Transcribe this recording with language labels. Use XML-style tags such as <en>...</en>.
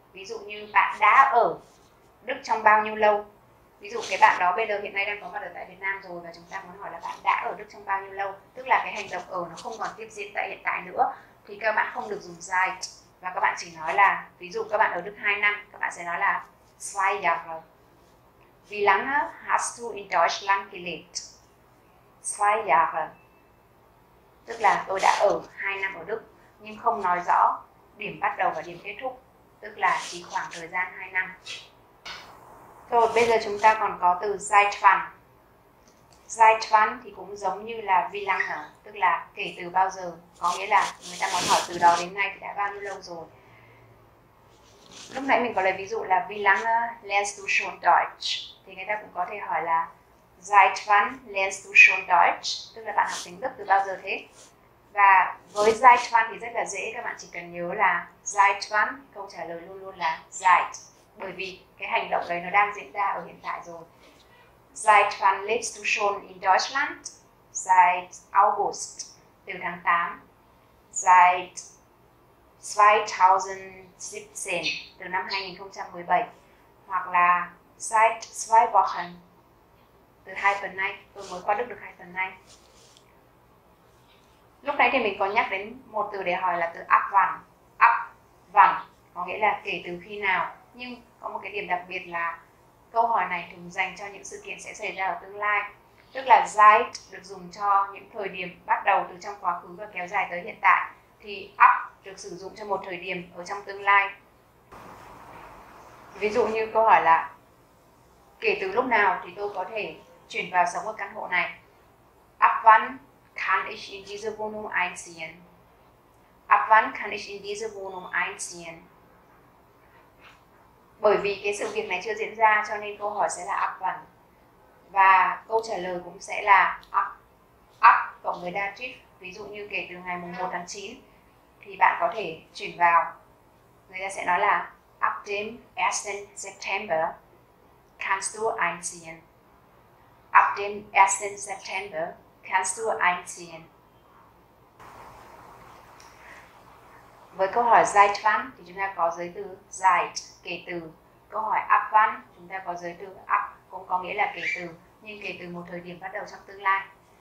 <vi>Ví dụ như bạn đã ở Đức trong bao nhiêu lâu. Ví dụ cái bạn đó bây giờ hiện nay đang có mặt ở tại Việt Nam rồi và chúng ta muốn hỏi là bạn đã ở Đức trong bao nhiêu lâu, tức là cái hành động ở nó không còn tiếp diễn tại hiện tại nữa, thì các bạn không được dùng Zeit, và các bạn chỉ nói là, ví dụ các bạn ở Đức 2 năm, các bạn sẽ nói là</vi> <de>Zwei Jahre. Wie lange hast du in Deutschland gelebt? Zwei Jahre.</de> <vi>Tức là tôi đã ở 2 năm ở Đức, nhưng không nói rõ điểm bắt đầu và điểm kết thúc, tức là chỉ khoảng thời gian 2 năm. Rồi, bây giờ chúng ta còn có từ Zeit wann. Zeit wann thì cũng giống như là wie lange, tức là kể từ bao giờ, có nghĩa là người ta muốn hỏi từ đó đến nay thì đã bao nhiêu lâu rồi. Lúc nãy mình có lấy ví dụ là</vi> <de>wie lange lernst du schon Deutsch,</de> <vi>thì người ta cũng có thể hỏi là</vi> <de>Seit wann lernst du schon Deutsch,</de> <vi>tức là bạn học tiếng Đức từ bao giờ thế. Và với seit wann thì rất là dễ, các bạn chỉ cần nhớ là seit wann, câu trả lời luôn luôn là seit, bởi vì cái hành động đấy nó đang diễn ra ở hiện tại rồi.</vi> <de>Seit wann lebst du schon in Deutschland? Seit August,</de> <vi>từ tháng 8.</vi> <de>Seit 2017,</de> <vi>từ năm 2017. Hoặc là</vi> <de>seit zwei Wochen,</de> <vi>từ 2 tuần nay, tôi mới qua Đức được 2 tuần nay. Lúc nãy thì mình có nhắc đến một từ để hỏi là từ ab wann. Ab wann có nghĩa là kể từ khi nào. Nhưng có một cái điểm đặc biệt là câu hỏi này thường dành cho những sự kiện sẽ xảy ra ở tương lai. Tức là Zeit được dùng cho những thời điểm bắt đầu từ trong quá khứ và kéo dài tới hiện tại, thì ab được sử dụng cho một thời điểm ở trong tương lai. Ví dụ như câu hỏi là kể từ lúc nào thì tôi có thể chuyển vào sống ở căn hộ này.</vi> <de>Ab wann kann ich in diese Wohnung einziehen? Ab wann kann ich in diese Wohnung einziehen?</de> <vi>Bởi vì cái sự việc này chưa diễn ra cho nên câu hỏi sẽ là ab wann. Và câu trả lời cũng sẽ là ab cộng với Dativ. Ví dụ như kể từ ngày 1 tháng 9 thì bạn có thể chuyển vào. Người ta sẽ nói là</vi> <de>ab dem 1. September kannst du einziehen. Ab dem 1. September kannst du einziehen.</de> <vi>Với câu hỏi seit wann thì chúng ta có giới từ seit, kể từ. Câu hỏi ab wann chúng ta có giới từ ab, cũng có nghĩa là kể từ, nhưng kể từ một thời điểm bắt đầu trong tương lai.</vi>